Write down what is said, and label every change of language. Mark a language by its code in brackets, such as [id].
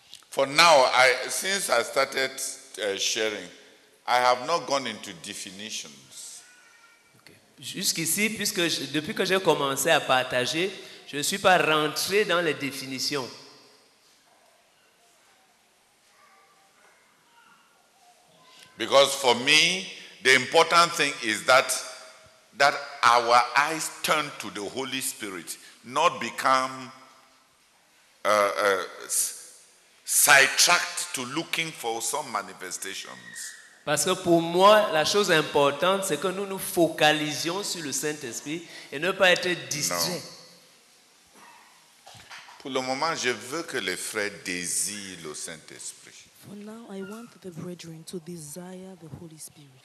[en] For now, since I started sharing, I have not gone into definitions. Okay. [fr] Jusqu'ici, depuis que j'ai commencé à partager, je ne suis pas rentré dans les définitions. [en] Because for me, the important thing is that our eyes turn to the Holy Spirit, not become sidetracked to looking for some manifestations. [fr] Parce que pour moi, la chose importante, c'est que nous nous focalisions sur le Saint-Esprit et ne pas être distrait. Non. Pour le moment, je veux que les frères désirent le Saint-Esprit. [en] For now, I want the brethren to desire the Holy Spirit.